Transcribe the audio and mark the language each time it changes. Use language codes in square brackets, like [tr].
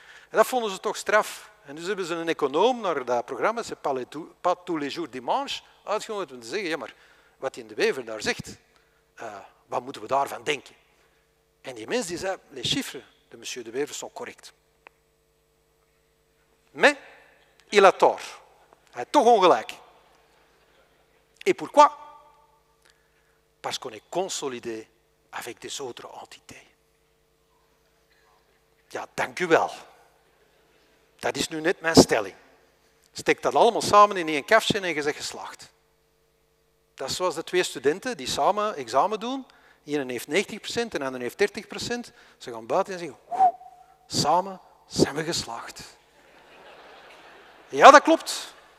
[nl] En dat vonden ze toch straf. En dus hebben ze een econoom naar dat programma, ze Pas tous les jours dimanche, uitgenodigd om te zeggen, ja maar, wat in de Wever daar zegt, wat moeten we daarvan denken? En die mens die zei, [fr] les chiffres de monsieur de Wever [nl] zijn correct. [fr] Mais il a tort. [nl] Hij heeft toch ongelijk. [fr] Et pourquoi? Parce qu'on est consolidé avec des autres entités. [nl] Ja, dank u wel. Dat is nu net mijn stelling. Steek dat allemaal samen in één kafje en je zegt geslaagd. Dat is zoals de twee studenten die samen examen doen. De ene heeft 90% en de andere heeft 30%. Ze gaan buiten en zeggen, samen zijn we geslaagd. Ja, dat klopt.